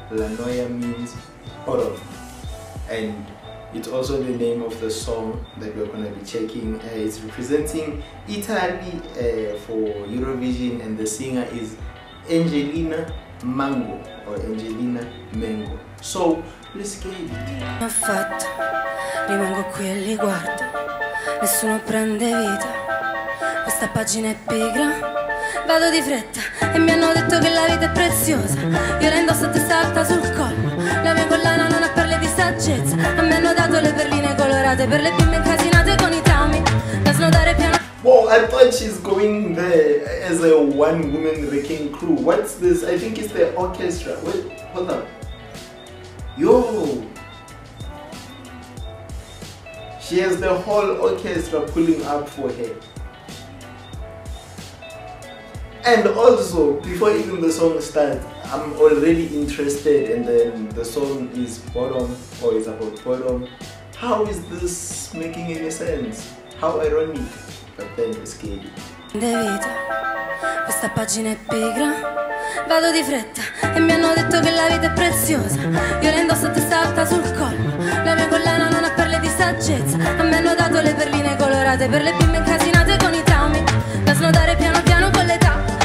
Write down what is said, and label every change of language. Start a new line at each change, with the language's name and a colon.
English: Lanoia means horror, and it's also the name of the song that we're gonna be checking. It's representing Italy for Eurovision, and the singer is Angelina Mango or Angelina Mango. So let's get it.
Italian: Ho fatto, rimango qui e li guardo. Nessuno prende vita. Questa pagina è pigra. Vado di fretta e mi hanno detto che la vita è preziosa. Io la indosso testa alta sul collo. La mia collana non ha perle di saggezza. A me hanno dato le perline colorate per le bimbe incasinate con i traumi da snodare piano.
English: Wow, I thought she's going there as a one woman wrecking crew. What's this? I think it's the orchestra. Wait, hold on. Yo! She has the whole orchestra pulling up for her. And also, before even the song starts, I'm already interested, and then the song is bottom, or is about bottom. How is this making any sense? How ironic. But then it's scary.
Italian: De vita, questa pagina è pigra. Vado di fretta e mi hanno detto che la vita è preziosa. Io la indosso a testa alta sul collo. La mia collana non ha perle di saggezza. A me hanno dato le perline colorate per le bimbe incasinate con i traumi da snodare piano piano con l'età.